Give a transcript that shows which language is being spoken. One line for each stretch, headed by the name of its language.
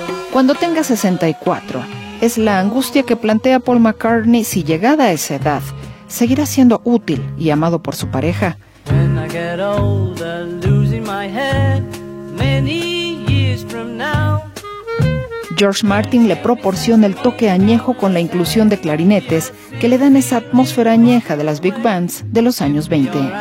Spanish: Cuando tenga 64, es la angustia que plantea Paul McCartney si llegada a esa edad, seguirá siendo útil y amado por su pareja.
English: When I get older. losing my head many years from now.
Spanish: George Martin le proporciona el toque añejo con la inclusión de clarinetes que le dan esa atmósfera añeja de las big bands de los años 20.